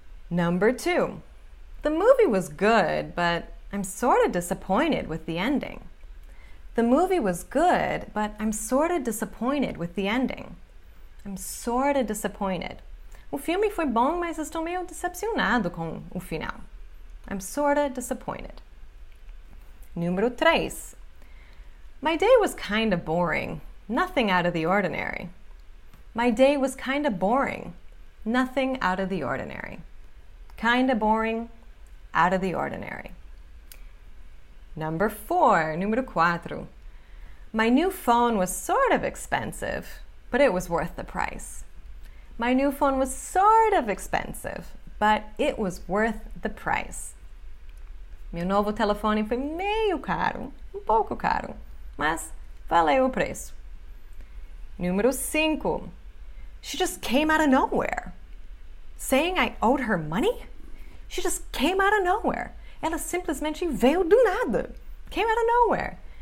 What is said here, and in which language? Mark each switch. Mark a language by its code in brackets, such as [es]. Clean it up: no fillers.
[en] Number two, the movie was good, but I'm sort of disappointed with the ending. The movie was good, but I'm sort of disappointed with the ending. I'm sort of disappointed. [pt] O filme foi bom, mas estou meio decepcionado com o final. [en] I'm sort of disappointed. [pt] Número 3. [en] My day was kind of boring. Nothing out of the ordinary. My day was kind of boring. Nothing out of the ordinary. Kind of boring. Out of the ordinary. Number 4. [pt] Número 4. [en] My new phone was sort of expensive, but it was worth the price. My new phone was sort of expensive, but it was worth the price. [pt] Meu novo telefone foi meio caro, um pouco caro, mas valeu o preço. Número 5. [en] She just came out of nowhere. Saying I owed her money? She just came out of nowhere. [pt] Ela simplesmente veio do nada. [en] Came out of nowhere.